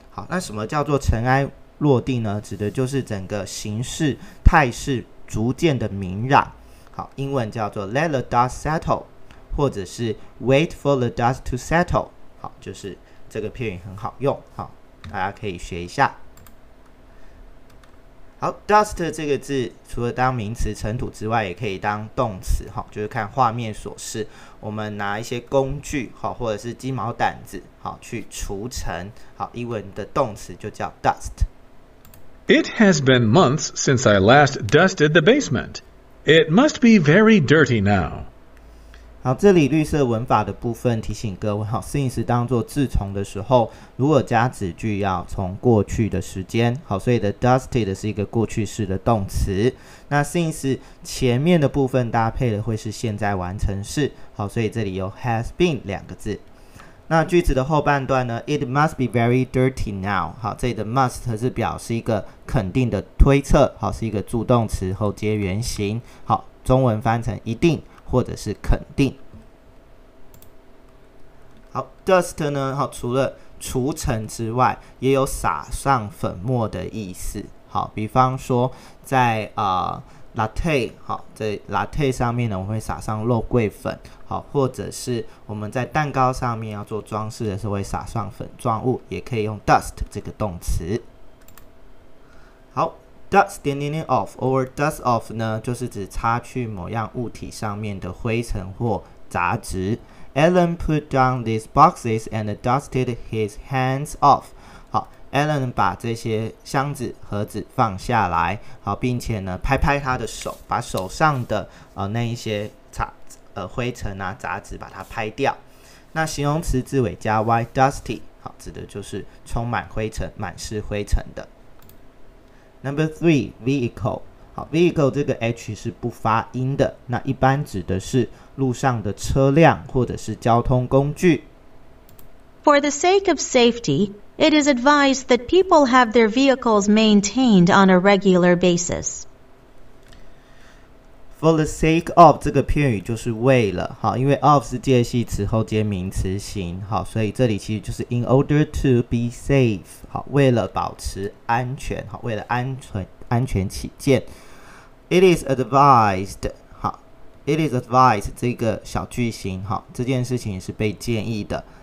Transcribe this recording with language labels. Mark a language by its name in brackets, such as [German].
[Chinese] 好，那什么叫做尘埃落定呢？指的就是整个形势态势逐渐的明染。好，英文叫做 [English] let the dust settle， [Chinese] 或者是 [English] wait for the dust to settle。 [Chinese] 好，就是这个片语很好用，好，大家可以学一下。好 ，dust 这个字除了当名词尘土之外，也可以当动词，就是看画面所示。我们拿一些工具，或者是鸡毛掸子，去除尘。好，英文的动词就叫 dust。 [English] It has been months since I last dusted the basement. It must be very dirty now. [Chinese] 好，这里绿色文法的部分提醒各位，好 ，since 当作自从的时候。如果加子句要从过去的时间，好，所以 [English] the dusted [Chinese] 是一个过去式的动词。那 since 前面的部分搭配的会是现在完成式，好，所以这里有 has been 两个字。那句子的后半段呢 [English] ？It must be very dirty now。 [Chinese] 好，这里的 must 是表示一个肯定的推测，好，是一个助动词后接原形。好，中文翻成一定或者是肯定。好 ，dust 呢？好，除了除尘之外，也有撒上粉末的意思。好，比方说在latte， 好，在 latte 上面呢，我们会撒上肉桂粉。好，或者是我们在蛋糕上面要做装饰的时候，会撒上粉状物，也可以用 dust 这个动词。好， dust 点点点 [English] off or dust off [Chinese] 呢，就是指擦去某样物体上面的灰尘或杂质。 [English] Alan put down these boxes and dusted his hands off. [Chinese] 好， Alan 把这些箱子盒子放下来，好，并且呢拍拍他的手，把手上的那一些灰尘啊杂质把它拍掉。那形容词字尾加 y， dusty， 好，指的就是充满灰尘，满是灰尘的。 [English] Number three， vehicle。 [Chinese] 好， vehicle 这个 H 是不发音的，那一般指的是路上的车辆或者是交通工具。 [English] For the sake of safety, it is advised that people have their vehicles maintained on a regular basis. For the sake of [Chinese] 这个片语就是为了，好，因为 of 是介系词后接名词型，好，所以这里其实就是 [English] in order to be safe， [Chinese] 好，为了保持安全，好，为了安全起见。 [English] It is advised， [Chinese] 好， It is advised 这个小句型，好，这件事情是被建议的。